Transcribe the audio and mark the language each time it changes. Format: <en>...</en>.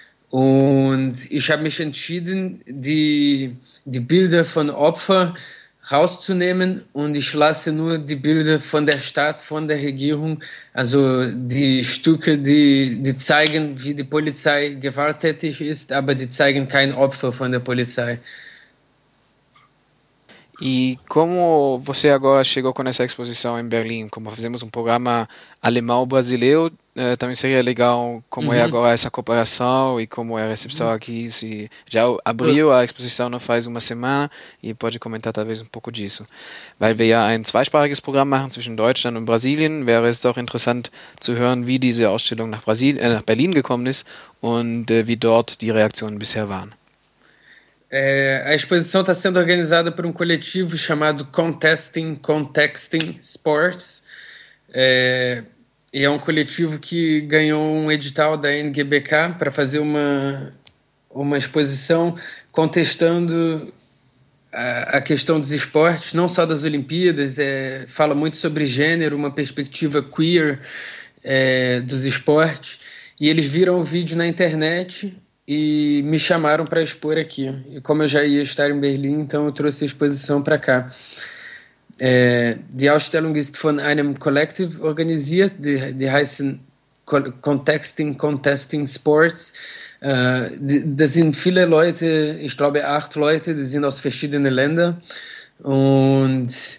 <de>Und ich habe mich entschieden, die Bilder von Opfern rauszunehmen, und ich lasse nur die Bilder von der Stadt, von der Regierung, also die Stücke, die zeigen, wie die Polizei gewalttätig ist, aber die zeigen kein Opfer von der Polizei.</de> <pt>E como você agora chegou com essa exposição em Berlim? Como fizemos um programa alemão-brasileiro, também seria legal como é agora essa cooperação e como é a recepção aqui. Se já abriu a exposição não faz uma semana e pode comentar talvez um pouco disso. Sim.</pt> <de>Weil wir ja ein zweisprachiges Programm machen zwischen Deutschland und Brasilien, wäre es doch interessant zu hören, wie diese Ausstellung nach Berlin gekommen ist und wie dort die Reaktionen bisher waren.</de> <pt>A exposição está sendo organizada por um coletivo chamado Contexting Sports, e é um coletivo que ganhou um edital da NGBK para fazer uma exposição contestando a questão dos esportes, não só das Olimpíadas. Fala muito sobre gênero, uma perspectiva queer dos esportes, e eles viram o vídeo na internet e me chamaram para expor aqui. E como eu já ia estar em Berlim, então eu trouxe a exposição para cá.</pt> <de>Die Ausstellung ist von einem Kollektiv organisiert, die heißen Contesting Sports. Da sind viele Leute, ich glaube 8 Leute, die sind aus verschiedenen Ländern. Und</de>